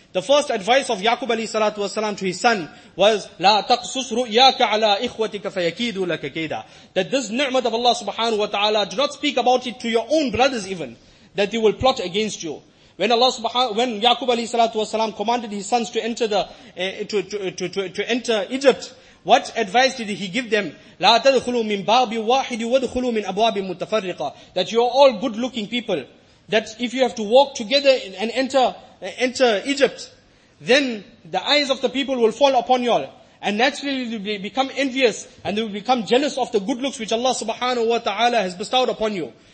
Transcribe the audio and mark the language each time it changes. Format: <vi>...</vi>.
<en>The first advice of Yaqub alayhi salatu wasalam to his son was</en> <ar>la taqsus ru'yaka ala ikhwatika fayakidu laka kayda.</ar> <en>That this ni'mat of Allah subhanahu wa ta'ala, do not speak about it to your own brothers even, that they will plot against you. When Yaqub alayhi salatu wasalam commanded his sons to enter enter Egypt, what advice did he give them?</en> <ar>لا تدخلوا من باب واحد وادخلوا من أبواب متفرقة.</ar> <en>That you are all good looking people. That if you have to walk together and enter Egypt, then the eyes of the people will fall upon you all. And naturally they will become envious and they will become jealous of the good looks which Allah subhanahu wa ta'ala has bestowed upon you.</en>